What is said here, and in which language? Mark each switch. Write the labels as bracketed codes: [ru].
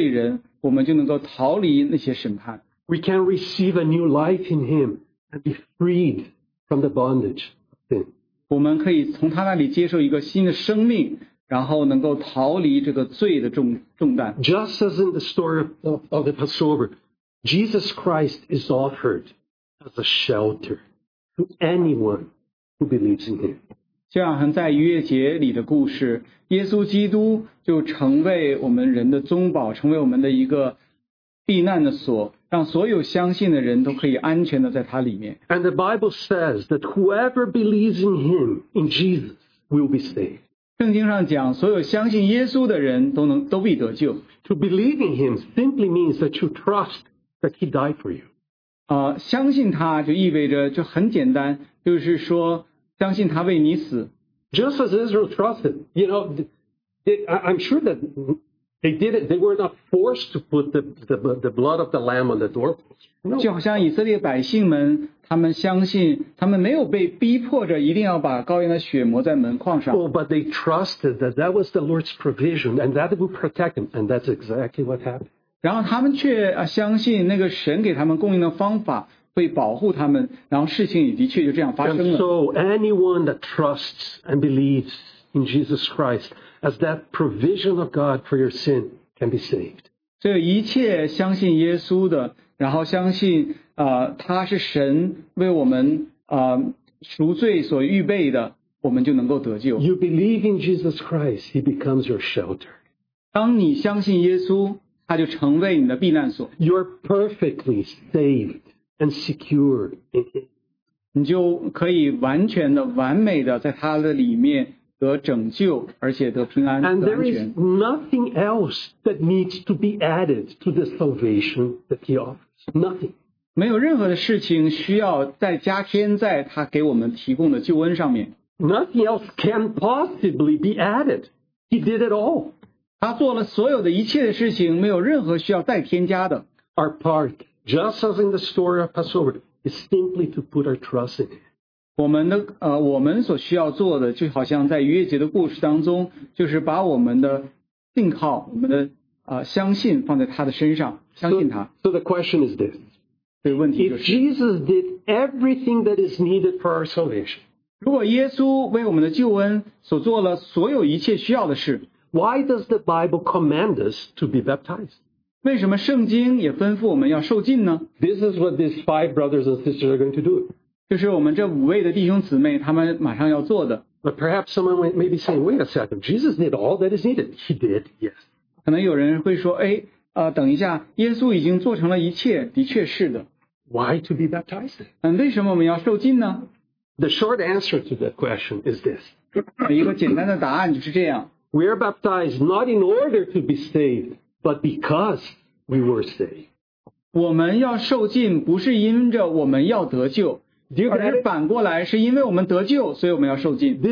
[zh] 所以当我们相信他的时候,因为我们原本是罪人,我们就能够逃离那些审判。 [en] We can receive a new life in him and be freed from the bondage of sin. [zh] 我们可以从他那里接受一个新的生命。然后能够逃离这个罪的重担。 [en] Just as in the story of the Passover, Jesus Christ is offered as a shelter to anyone who believes in him. [zh] 就像在逾越节里的故事,耶稣基督就成为我们人的宗保,成为我们的一个避难的所，让所有相信的人都可以安全的在他里面。 [en] And the Bible says that whoever believes in Him, in Jesus, will be saved. [zh] 圣经上讲，所有相信耶稣的人都能都必得救。 [en] To believe in Him simply means that you trust that He died for you. [zh] 相信他就意味着就很简单，就是说相信他为你死。 [en] Just as Israel trusted, you know, I'm sure that they did it. They were not forced to put the blood of the lamb on the doorpost. No. [zh] 就好像以色列百姓们，他们相信，他们没有被逼迫着一定要把羔羊的血抹在门框上。 [en] Oh, but they trusted that that was the Lord's provision and that would protect them, and that's exactly what happened. [zh] 然后他们却相信那个神给他们供应的方法会保护他们，然后事情也的确就这样发生了。 [en] And so anyone that trusts and believes in Jesus Christ as that provision of God for your sin can be saved. [zh] 所以一切相信耶稣的，然后相信他是神为我们赎罪所预备的，我们就能够得救。 [en] You believe in Jesus Christ, He becomes your shelter. [zh] 当你相信耶稣，他就成为你的避难所。 [en] You're perfectly saved. And secure in him. [zh] 你就可以完全的、完美的在他的里面得拯救，而且得平安、得安全。 [en] And there is nothing else that needs to be added to the salvation that he offers. Nothing. [zh] 没有任何的事情需要再加添在他给我们提供的救恩上面。 [en] Nothing else can possibly be added. He did it all. [zh] 他做了所有的一切的事情，没有任何需要再添加的。 [en] Our part. Just as in the story of Passover, is simply to put our trust in Him. [zh] 我们所需要做的，就好像在逾越节的故事当中，就是把我们的信靠、我们的相信放在他的身上，相信他。 [en] So the question is this: [zh] 这个问题就是、 [en] If Jesus did everything that is needed for our salvation, [zh] 如果耶稣为我们的救恩所做了所有一切需要的事 [en] ，Why does the Bible command us to be baptized? [zh] 为什么圣经也吩咐我们要受浸呢 [en] ？This is what these five brothers and sisters are going to do. [zh] 就是我们这五位的弟兄姊妹，他们马上要做的。 [en] But perhaps someone may be saying, "Wait a second. Jesus did all that is needed. He did, yes." [zh] 可能有人会说，哎，等一下，耶稣已经做成了一切，的确是的。 [en] Why to be baptized? [zh] 为什么我们要受浸呢 [en] ？The short answer to that question is this. [zh] 一个简单的答案就是这样。 [en] We are baptized not in order to be saved. But because we were saved. [zh] 我们要受浸不是因着我们要得救，而是反过来是因为我们得救，所以我们要受浸。